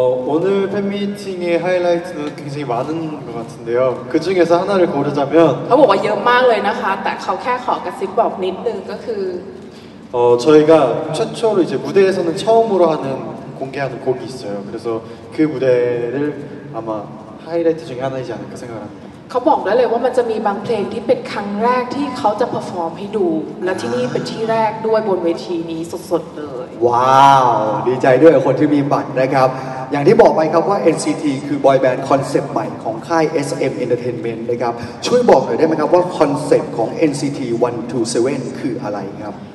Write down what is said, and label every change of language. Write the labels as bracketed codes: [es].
[ko] 오늘팬미팅의하이라이트는굉장히많은것같은데요그중에서하나를고르자면 [th] เขาบอกว่าเยอะมากเลยนะคะแต่เขาแค่ขอกระซิบบอกนิดนึงก็คือ [ko] 저희가최초로이제무대에서는처음으로하는공개하는곡이있어요그래서그무대를아마하이라이트중에하나이지않을까생각합니다 [th] ขาบอกได้เลยว่ามันจะมีบางเพลงที่เป็นครั้งแรกที่เขาจะเพอร์ฟอร์มให้ดูและที่นี่เป็นที่แรกด้วยบนเวทีนี้สดๆเลย ว้าวดีใจด้วยคนที่มีบัตรนะครับอย่างที่บอกไปครับว่า NCT คือบอยแบนด์คอนเซปต์ใหม่ของค่าย SM Entertainment นะครับช่วยบอกหน่อยได้ไหมครับว่าคอนเซปต์ของ NCT 127คืออะไรครับ